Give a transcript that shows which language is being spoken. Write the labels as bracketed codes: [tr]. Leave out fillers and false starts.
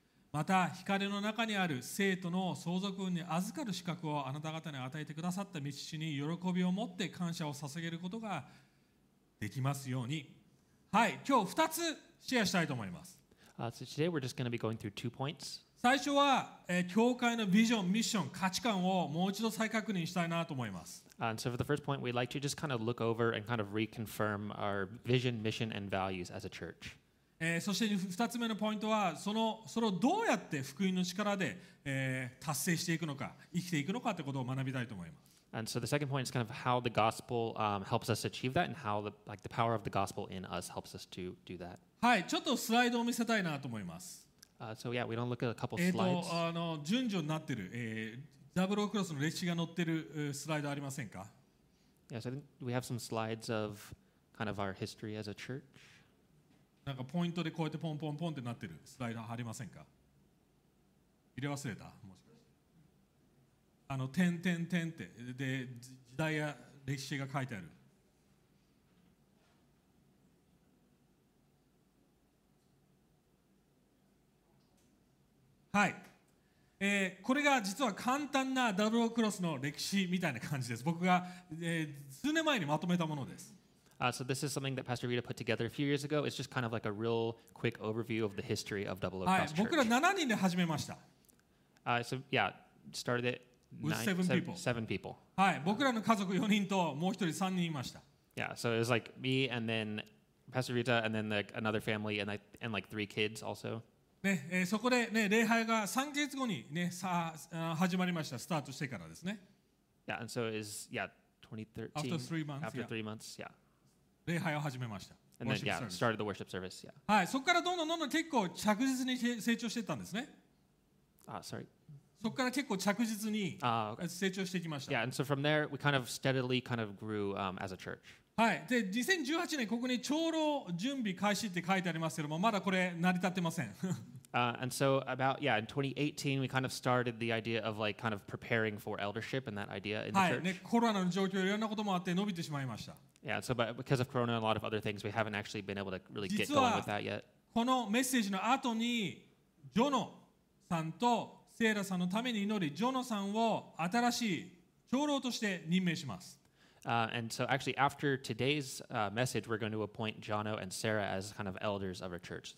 [ja] また光の中にある生徒の相続に預かる資格をあなた方に与えてくださった道に喜びを持って感謝を捧げることができますように。はい、今日2つシェアしたいと思います。 [en] So today we're just going to be going through two points. [ja] 最初は、教会のビジョン、ミッション、価値観をもう一度再確認したいなと思います。 [en] And so for the first point, we'd like to just kind of look over and kind of reconfirm our vision, mission, and values as a church. [ja] そして2つ目のポイントは、それをどうやって福音の力で、達成していくのか、生きていくのかということを学びたいと思います。 [en] And so the second point is kind of how the gospel helps us achieve that, and how the like the power of the gospel in us helps us to do that. [ja] はい、ちょっとスライドを見せたいなと思います。 [en] So yeah, we don't look at a couple slides. [ja] 順序になってる、ダブルオクロスの歴史が載ってるスライドありませんか？ [en] Yes, I think we have some slides of kind of our history as a church. [ja] なんかポイントでこうやってポンポンポンってなってるスライドありませんか？入れ忘れた。もしかして。あの点点点ってで時代や歴史が書いてある。はい。これが実は簡単なダブルオクロスの歴史みたいな感じです。僕が、数年前にまとめたものです。 [en] So this is something that Pastor Rita put together a few years ago. It's just kind of like a real quick overview of the history of Double O Cross Church. [ja] 僕ら7人で始めました。 [en] So yeah, started it seven people. [ja] はい、僕らの家族4人ともう1人3人いました。 [en] Yeah, so it was like me and then Pastor Rita and then like another family and like three kids also. [ja] ねそこで、ね、礼拝が3ヶ月後に、ね、さ始まりました。スタートしてからですね。 [en] Yeah, and so it was, yeah, 2013, after 3 months, after 3 months, yeah. [ja] 礼拝を始めました。 [en] And then, yeah, started the worship service, yeah. [ja] はい、そこからどんどんどんどん結構着実に成長していったんですね。 [en] Sorry. [ja] そこから結構着実に成長していきました。 [en] Yeah, and so from there, we kind of steadily kind of grew, as a church. [ja] はい、で2018年ここに長老準備開始って書いてありますけどもまだこれ成り立ってません。 [en] and so about yeah in 2018 we kind of started the idea of like kind of preparing for eldership and that idea in the church. [ja] はい、ね、コロナの状況いろんなこともあって伸びてしまいました。 [en] Yeah, so but because of Corona and a lot of other things, we haven't actually been able to really get going with that yet. [ja] 実はこのメッセージの後にジョノさんとセイラさんのために祈りジョノさんを新しい長老として任命します。 [en] And so actually after today's message, we're going to appoint Jono and Sarah as kind of elders of our church.